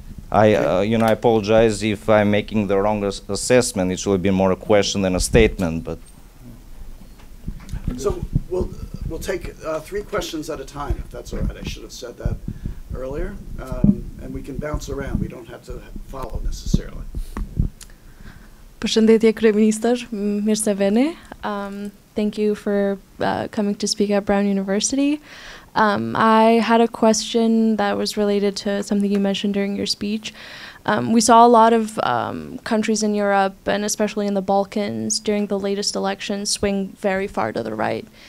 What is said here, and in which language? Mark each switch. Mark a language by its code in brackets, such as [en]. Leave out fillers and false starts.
[en] I apologize if I'm making the wrong assessment. It should have been more a question than a statement, but. So, well, We'll take three questions at a time, if that's all right. I should have said that earlier. And we can bounce around. We don't have to follow necessarily. [sq] Përshëndetje, Kryeministër, mirë se vini. [en] Thank you for coming to speak at Brown University. I had a question that was related to something you mentioned during your speech. We saw a lot of countries in Europe, and especially in the Balkans, during the latest elections, swing very far to the right.